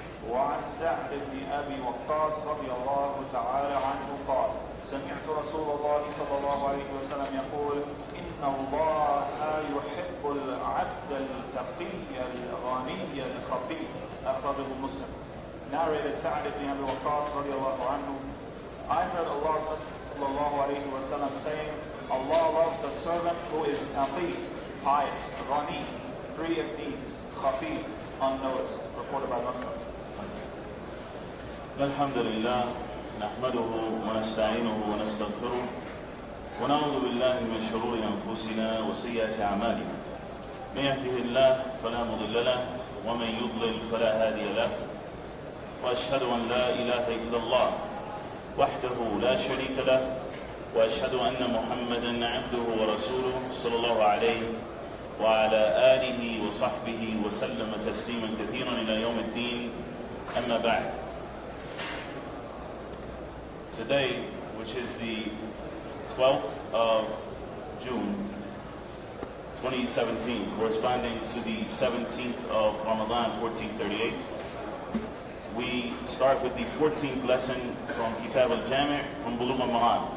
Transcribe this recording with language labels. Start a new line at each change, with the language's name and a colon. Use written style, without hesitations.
Arabic: وعن سعد بن ابي وقاص رضي الله تعالى عنه قال سمعت رسول الله صلى الله عليه وسلم يقول ان الله يحب العبد التقي الغني الخفي اخرجه مسلم. Narrated سعد بن ابي وقاص رضي الله عنه.
English: I heard Allah صلى الله عليه وسلم saying, Allah loves the servant who is taqi, pious, ghani, free of deeds, khafi, unnoticed. Reported by Muslim.
Arabic: الحمد لله نحمده ونستعينه ونستغفره ونعوذ بالله من شرور أنفسنا وسيئات أعمالنا من يهده الله فلا مضل له ومن يضلل فلا هادي له وأشهد أن لا إله إلا الله وحده لا شريك له وأشهد أن محمدا عبده ورسوله صلى الله عليه وعلى آله وصحبه وسلم تسليما كثيرا إلى يوم الدين أما بعد.
English: Today, which is the 12th of June, 2017, corresponding to the 17th of Ramadan, 1438, we start with the 14th lesson from Kitab al-Jami' from Bulugh al-Maram.